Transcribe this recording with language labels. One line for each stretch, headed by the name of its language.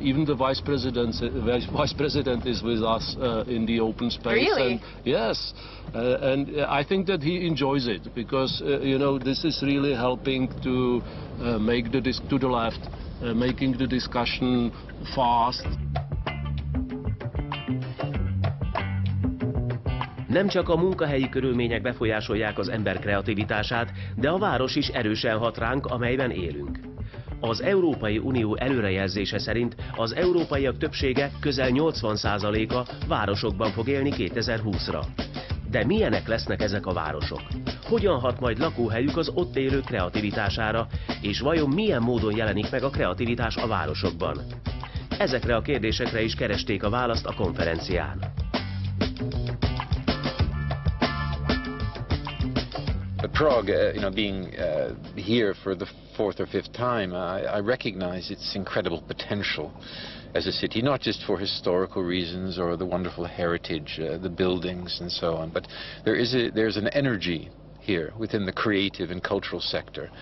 English: Even the vice president is with us in the open space. Really? And I think that he enjoys it, because you know, this is really helping to make the making the discussion fast.
Hungarian: Nem csak a munkahelyi körülmények befolyásolják az ember kreativitását, de a város is erősen hat ránk, amelyben élünk. Az Európai Unió előrejelzése szerint az európaiak többsége, közel 80%-a városokban fog élni 2020-ra. De milyenek lesznek ezek a városok? Hogyan hat majd lakóhelyük az ott élő kreativitására, és vajon milyen módon jelenik meg a kreativitás a városokban? Ezekre a kérdésekre is keresték a választ a konferencián.
English: Prague, you know, being here for the fourth or fifth time, I recognize its incredible potential as a city, not just for historical reasons or the wonderful heritage, the buildings and so on, but there's an energy here within the creative and cultural sector.